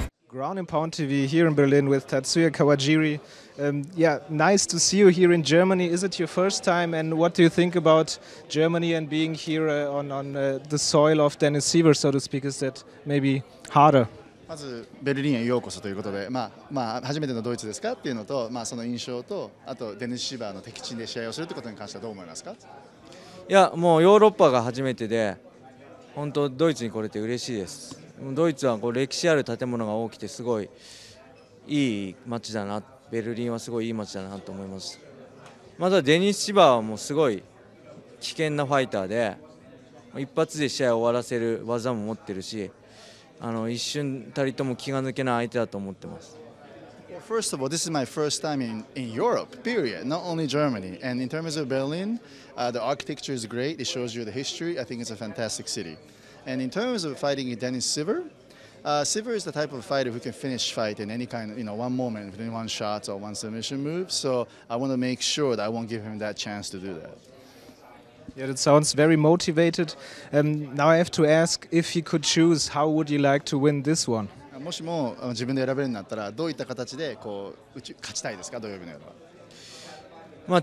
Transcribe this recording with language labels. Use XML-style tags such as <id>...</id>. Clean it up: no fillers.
<en>Groundandpound-TV here in Berlin with Tatsuya Kawajiri. Nice to see you here in Germany. Is it your first time, and what do you think about Germany and being here on the soil of Dennis Siver, so to speak? Is that maybe harder?</en> <ja>まずベルリンへようこそということで、初めてのドイツですかっていうのと、その印象と、あとデニス・シーバーの敵地で試合をするってことに関してはどう思いますか？いや、もうヨーロッパが初めてで、本当ドイツに来れて嬉しいです。ドイツはこう歴史ある建物が多くてすごいいい街だな、ベルリンはすごいいい街だなと思います。またデニス・シバーはもうすごい危険なファイターで、一発で試合を終わらせる技も持ってるし、一瞬たりとも気が抜けない相手だと思ってます。</ja> <en>First of all, this is my first time in Europe, period, not only Germany. And in terms of Berlin, the architecture is great. It shows you the history. I think it's a fantastic city. And in terms of fighting Dennis Siver, Siver is the type of fighter who can finish fight in any kind, one moment, within one shot or one submission move. So I want to make sure that I won't give him that chance to do that. Yeah, that sounds very motivated. Now I have to ask, if he could choose, how would you like to win this one?</en> <ja>もしも自分で選べるんだったら、どういった形でこう勝ちたいですか、土曜日の夜は。</ja>